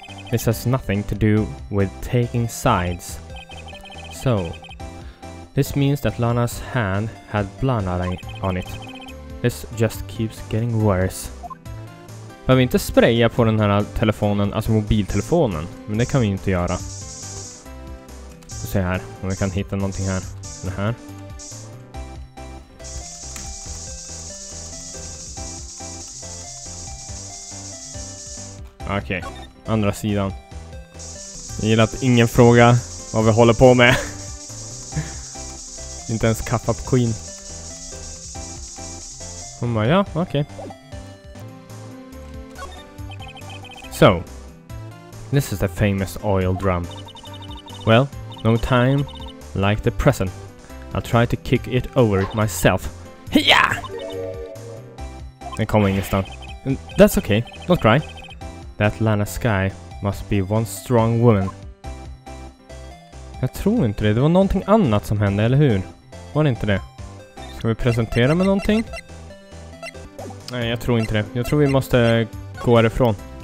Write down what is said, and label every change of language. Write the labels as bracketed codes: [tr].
[en] This has nothing to do with taking sides. So... This means that Lana's hand had blood on it. This just keeps getting worse. [sv] Behöver vi inte spraya på den här telefonen, alltså mobiltelefonen? Men det kan vi inte göra. Vi får se här, om vi kan hitta någonting här. Den här. Okej, andra sidan. Jag gillar att ingen fråga vad vi håller på med. Inte ens Cuff Up Queen. Hon bara, ja, okej. Okay. [en] So, this is the famous oil drum. Well, no time like the present. I'll try to kick it over it myself. Hiya! [sv] Den kommer ingenstans. [en] That's okay, don't cry. That Lana Sky must be one strong woman. [sv] Jag tror inte det, det var någonting annat som hände, eller hur? Var det inte det? Ska vi presentera med någonting? Nej, jag tror inte det. Jag tror vi måste gå härifrån.